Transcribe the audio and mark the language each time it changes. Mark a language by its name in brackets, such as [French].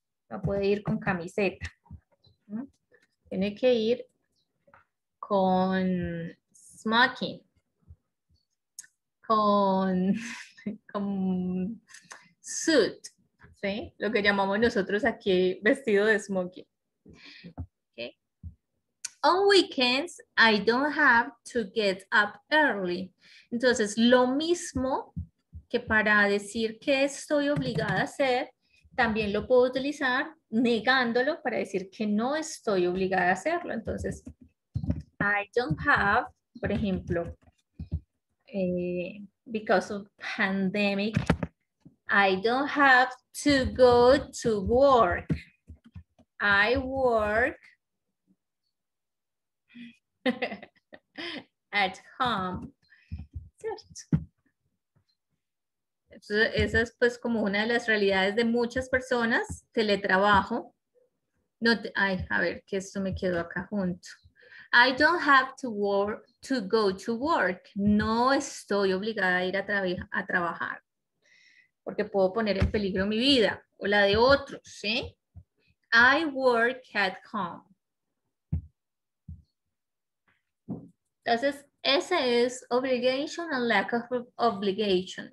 [Spanish] No puede ir con camiseta. Tiene que ir con smoking. Con suit. ¿Sí? Lo que llamamos nosotros aquí vestido de smoking. Okay. [English] On weekends, I don't have to get up early. [Spanish] Entonces, lo mismo que para decir que estoy obligada a hacer, también lo puedo utilizar negándolo para decir que no estoy obligada a hacerlo. Entonces, [English] I don't have, [Spanish] por ejemplo, [English] because of pandemic, I don't have to go to work. I work at home. [Spanish] Cierto. Esa es pues como una de las realidades de muchas personas, teletrabajo. No te, ay, a ver, que esto me quedó acá junto. [English] I don't have to work to go to work. [Spanish] No estoy obligada a ir a trabajar. Porque puedo poner en peligro mi vida o la de otros, ¿sí? [English] I work at home. [Spanish] Entonces, ese es [English] obligation and lack of obligation.